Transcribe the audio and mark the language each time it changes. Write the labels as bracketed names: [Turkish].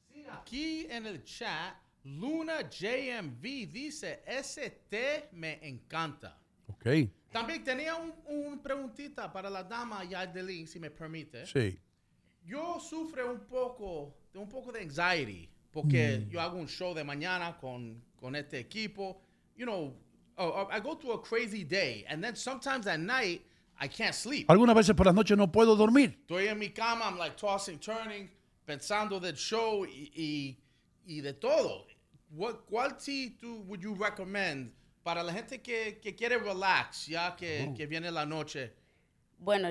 [Spanish] Aquí en el chat, Luna JMV dice, ese té me encanta. Ok. También tenía un preguntita para la dama Yadelin, si me permite. Sí. Yo sufro un poco de anxiety porque yo hago un show de mañana con este equipo. [English] You know, I go through a crazy day and then sometimes at night, I can't sleep. [Spanish] Algunas veces por las noches no puedo dormir. Estoy en mi cama, [English] I'm like tossing, turning, [Spanish] pensando del show y de todo. ¿Cuál tea [English] would you recommend [Spanish] para la gente que quiere relax, ya que viene la noche? Bueno,